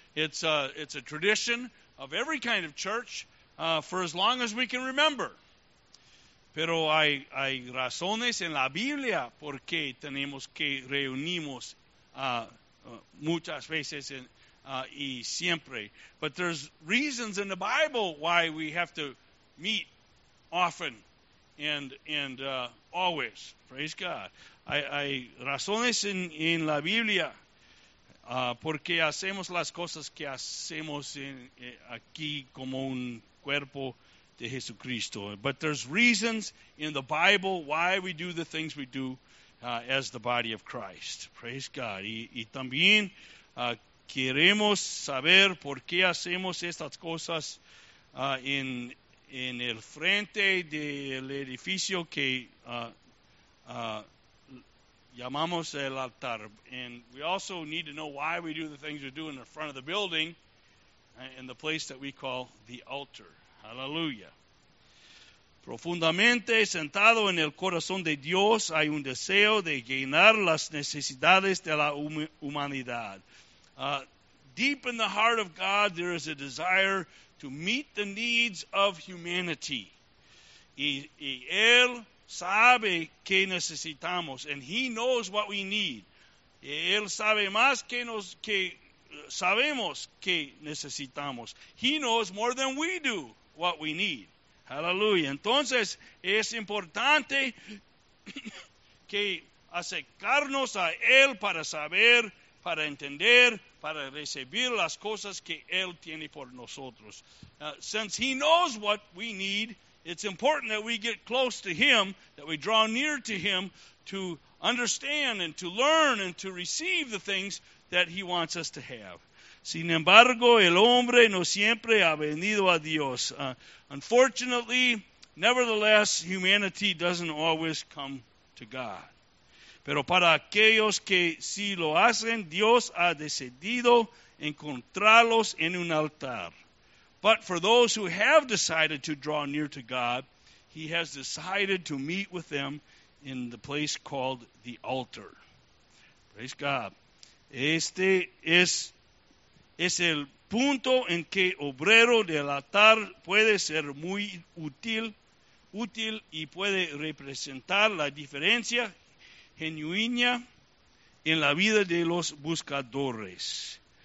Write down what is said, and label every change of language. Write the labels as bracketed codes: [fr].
[en] It's a tradition of every kind of church for as long as we can remember. [es] Pero hay razones en la Biblia por qué tenemos que reunimos muchas veces y siempre. [en] But there's reasons in the Bible why we have to meet often and always. Praise God. [es] Hay razones en la Biblia porque hacemos las cosas que hacemos aquí como un cuerpo de Jesucristo. [en] But there's reasons in the Bible why we do the things we do as the body of Christ. Praise God. [es] Y también queremos saber por qué hacemos estas cosas en el frente del edificio que llamamos el altar. [en] And we also need to know why we do the things we do in the front of the building in the place that we call the altar. Hallelujah. [es] Profundamente sentado en el corazón de Dios hay un deseo de llenar las necesidades de la humanidad. [en] Deep in the heart of God there is a desire to meet the needs of humanity. [es] Y Él sabe qué necesitamos, [en] and he knows what we need. [es] Él sabe más que sabemos que necesitamos. [en] He knows more than we do what we need. Hallelujah. [es] Entonces, es importante que acercarnos a Él para saber, para entender, para recibir las cosas que Él tiene por nosotros. [en] Since he knows what we need, it's important that we get close to him, that we draw near to him to understand and to learn and to receive the things that he wants us to have. [es] Sin embargo, el hombre no siempre ha venido a Dios. [en] Unfortunately, nevertheless, humanity doesn't always come to God. [es] Pero para aquellos que sí lo hacen, Dios ha decidido encontrarlos en un altar. [en] But for those who have decided to draw near to God, he has decided to meet with them in the place called the altar. Praise God. [es] Este es el punto en que obrero del altar puede ser muy útil y puede representar la diferencia genuina en la vida de los buscadores.